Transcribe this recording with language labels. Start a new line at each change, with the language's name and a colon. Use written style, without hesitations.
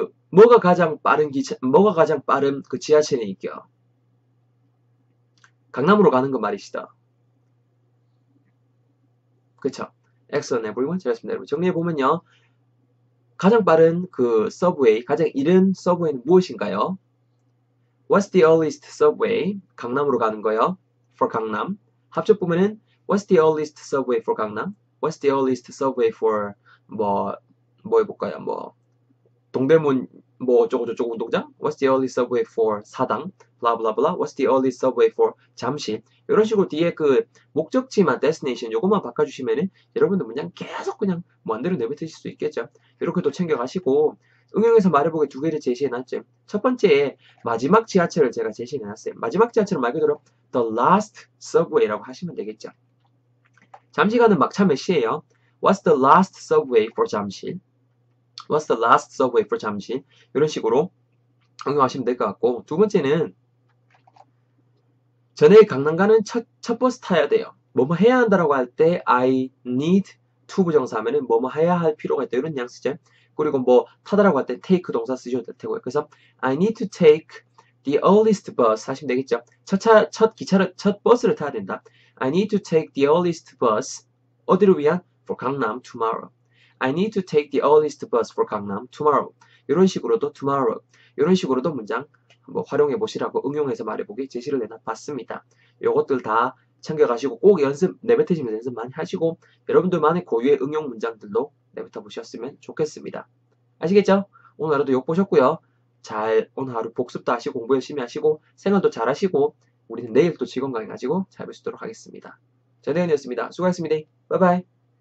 Korean: 뭐가 가장 빠른 그 지하철이니까요? 강남으로 가는 거 말이시다. 그쵸?
English: Excellent, everyone.
Korean: 잘했습니다, 여러분. 정리해보면요. 가장 빠른 그 서브웨이, 가장 이른 서브웨이는 무엇인가요?
English: What's the earliest subway?
Korean: 강남으로 가는 거요.
English: For 강남.
Korean: 합쳐보면은
English: What's the earliest subway for 강남? What's the earliest subway for
Korean: 뭐 해볼까요? 뭐 동대문 뭐 어쩌고저쩌고 운동장?
English: What's the earliest subway for 사당? blah blah blah. What's the earliest subway for 잠실?
Korean: 이런 식으로 뒤에 그 목적지만 destination 요것만 바꿔주시면은 여러분들 문장 계속 그냥 무한대로 내뱉으실 수 있겠죠. 이렇게 또 챙겨가시고 응용해서 말해보게 두 개를 제시해놨죠. 첫 번째에 마지막 지하철을 제가 제시해놨어요. 마지막 지하철은 말 그대로
English: The last subway
Korean: 라고 하시면 되겠죠. 잠시간은 막차 몇이에요?
English: What's the last subway for 잠실? What's the last subway for 잠실?
Korean: 이런 식으로 응용하시면 될것 같고, 두 번째는 전에 강남 가는 첫 버스 타야 돼요. 뭐뭐 해야 한다라고 할 때,
English: I need to
Korean: 부정사하면은 뭐뭐 해야 할 필요가 있다. 이런 양식이죠. 그리고 뭐 타다라고 할때 take 동사 쓰셔도 되고요. 그래서
English: I need to take the earliest bus
Korean: 하시면 되겠죠. 첫 기차를, 첫 버스를 타야 된다.
English: I need to take the earliest bus.
Korean: 어디를 위한?
English: For 강남, tomorrow. I need to take the earliest bus for 강남, tomorrow.
Korean: 이런 식으로도 tomorrow. 이런 식으로도 문장 한번 활용해 보시라고 응용해서 말해보기 제시를 내놔봤습니다. 요것들 다 챙겨가시고 꼭 연습, 내뱉으시면서 연습 많이 하시고, 여러분들만의 고유의 응용 문장들도 내뱉어 보셨으면 좋겠습니다. 아시겠죠? 오늘 하루도 욕 보셨고요. 잘, 오늘 하루 복습도 하시고, 공부 열심히 하시고, 생활도 잘 하시고, 우리는 내일 또 직원 강의 가지고 잘볼수 있도록 하겠습니다. 전혜연이었습니다. 수고하셨습니다. 바이바이.